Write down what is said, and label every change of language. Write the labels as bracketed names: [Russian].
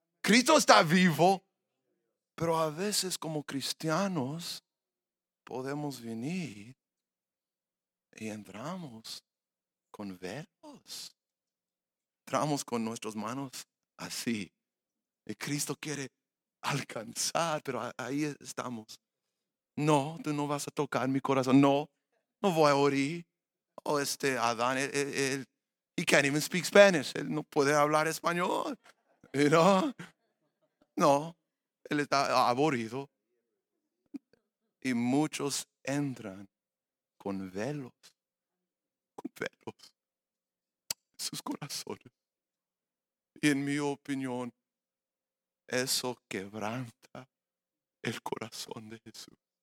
[Spanish] Cristo está vivo. Pero a veces como cristianos podemos venir y entramos con velos. Entramos con nuestras manos así. Y Cristo quiere alcanzar, pero ahí estamos. No, tú no vas a tocar mi corazón. No, no voy a orar. [English] Oh, Adán, él, he can't even speak Spanish. [Spanish] Él no puede hablar español. No, él está aburrido. Y muchos entran con velos. Con velos. En sus corazones. Y en mi opinión, eso quebranta el corazón de Jesús.